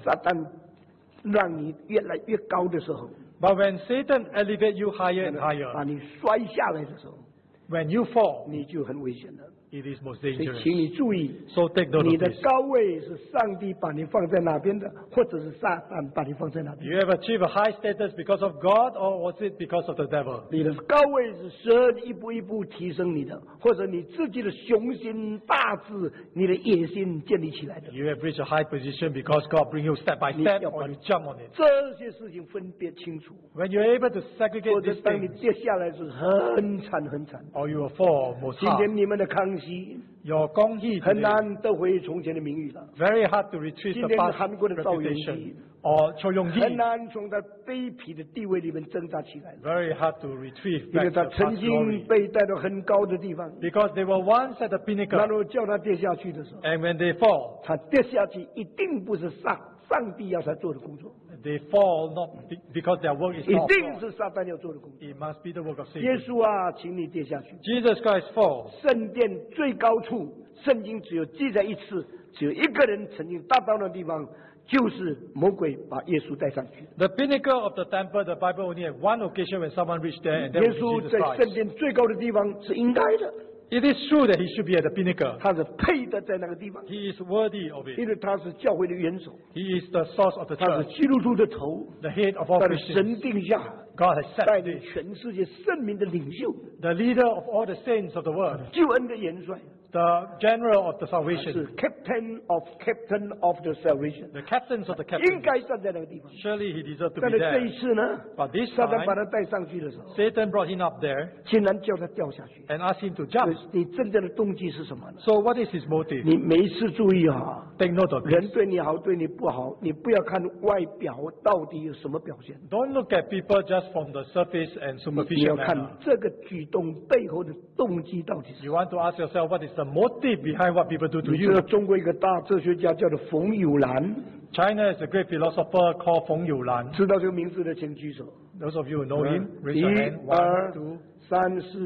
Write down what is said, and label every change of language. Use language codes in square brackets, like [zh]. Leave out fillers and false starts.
[zh] 撒旦让你越来越高的时候 [en] But when Satan elevates you higher and higher, [zh] 把你摔下来的时候 [en] when you fall, [zh] 你就很危险了 [en] it is most dangerous. [zh] 所以请你注意 [en] so take note of this. [zh] 你的高位是上帝把你放在哪边的，或者是撒旦把你放在哪边。 [en] You have achieved a high status because of God, or was it because of the devil? [zh] 你的高位是神一步一步提升你的，或者你自己的雄心大志、你的野心建立起来的。 [en] You have reached a high position because God bring you step by step, or you jump on it. [zh] 这些事情分别清楚。 [en] When you are able to segregate these things, [zh] 或者当你跌下来是很惨很惨。 [en] Or you will fall most hard. [zh] 今天你们的康熙。有公益很难得回从前的名誉了 [en] Very hard to retrieve the past reputation or 邱永义 [zh] 很难从他卑鄙的地位里面挣扎起来 [en] Very hard to retrieve back the past glory [zh] 因为他曾经被带到很高的地方 [en] Because they were once at the pinnacle [zh] 然后叫他跌下去的时候 [en] And when they fall [zh] 他跌下去一定不是上帝要他做的工作 [en] They fall not because their work is not [zh] 一定是撒旦要做的工作 [en] It must be the work of Satan [zh] 耶稣啊请你跌下去 [en] Jesus Christ fall [zh] 圣殿最高处圣经只有记载一次只有一个人曾经达到的地方就是魔鬼把耶稣带上去 [en] The pinnacle of the temple the Bible only had one occasion when someone reached there and that was Jesus Christ [zh] 耶稣在圣殿最高的地方是应该的 [en] It is true that he should be at the pinnacle [zh] 他是配得在那个地方 [en] He is worthy of it [zh] 因为他是教会的元首 [en] He is the source of the church [zh] 他是基督徒的头 [en] The head of all Christians [zh] 神定下 [en] God has set [zh] 带领全世界圣民的领袖 [en] The leader of all the saints of the world [zh] 救恩的元帅 [en] The general of the salvation. Captain of the salvation. The captains of the captains. Surely he deserved to be there. [zh] 但是这一次呢, [en] But this time, [zh] 撒旦把他带上去的时候, [en] Satan brought him up there. [zh] 竟然叫他掉下去, [en] and asked him to jump. [zh] 你真正的动机是什么呢? [en] So what is his motive? [zh] 你每一次注意啊, [en] Take note of this. [zh] 人对你好, 对你不好, 你不要看外表到底有什么表现。 [en] Don't look at people just from the surface and superficial [zh] 你要看这个举动背后的动机到底是什么。 [en] You want to ask yourself what is the motive behind what people do to you. [zh] 你知道中国一个大哲学家叫做冯友兰。 [en] China is a great philosopher called 冯友兰。 [zh] 知道这个名字的请举手。 [en] Those of you who know him, raise your hand.